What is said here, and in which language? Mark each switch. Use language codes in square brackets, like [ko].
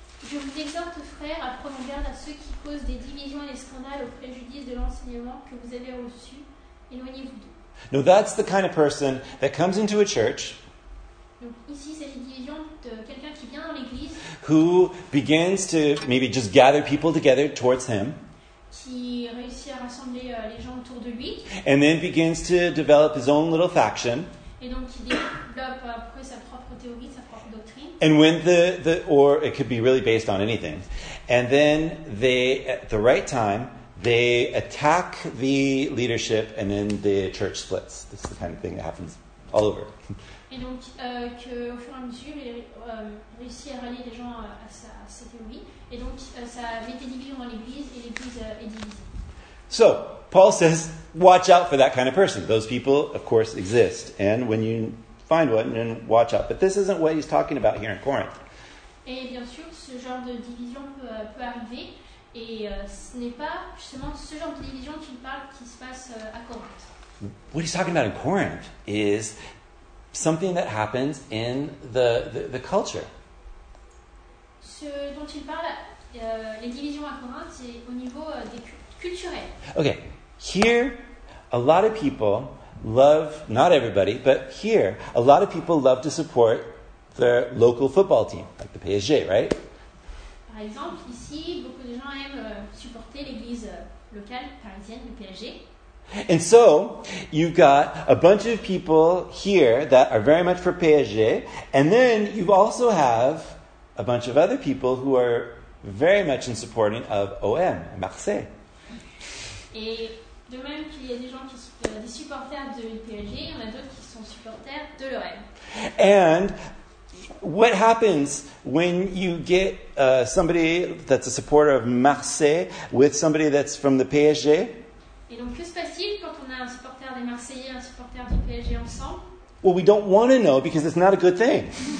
[fr] Je vous exhorte, frères, à prendre garde à ceux qui causent des divisions et des scandales au préjudice de l'enseignement que vous avez reçu. Éloignez-vous d'eux. [en] No, that's the kind of person that comes into a church. [fr] Donc ici, c'est une division de quelqu'un qui vient dans l'église. [en] Who begins to maybe just gather people together towards him. [fr] Qui réussit à rassembler les gens autour de lui. [en] And then begins to develop his own little faction. [fr] Et donc il développe après sa propre théorie, sa propre doctrine. [en] And when the or it could be really based on anything. And then they at the right time they attack the leadership and then the church splits. This is the kind of thing that happens all over. [fr] Et donc que au fur et à mesure il réussit à rallier les gens à sa théorie. Et donc, ça avait été divisé dans l'église, et l'église est divisée. [en] So, Paul says, watch out for that kind of person. Those people, of course, exist. And when you find one, then watch out. But this isn't what he's talking about here in Corinth. [fr] Et bien sûr, ce genre de division peut arriver. Et ce n'est pas justement ce genre de division qu'il parle qui se passe à Corinth. [en] What he's talking about in Corinth is something that happens in the culture. [fr] Ce dont il parle, les divisions à Corinth, c'est au niveau des culturels. [en] Okay, here, a lot of people love, not everybody, but here, a lot of people love to support their local football team, like the PSG, right? [fr] Par exemple, ici, beaucoup de gens aiment supporter l'église locale parisienne, le PSG. [en] And so, you've got a bunch of people here that are very much for PSG, and then you also have a bunch of other people who are very much in supporting of OM, Marseille. [fr] Et de même qu'il y a des gens qui sont des supporters de PSG, il y en a d'autres qui sont supporters de l'OM. [en] And what happens when you get somebody that's a supporter of Marseille with somebody that's from the PSG? [fr] Et donc, que se passe-t-il quand on a un supporter des Marseillais et un supporter du PSG ensemble? [en] Well, we don't want to know because it's not a good thing.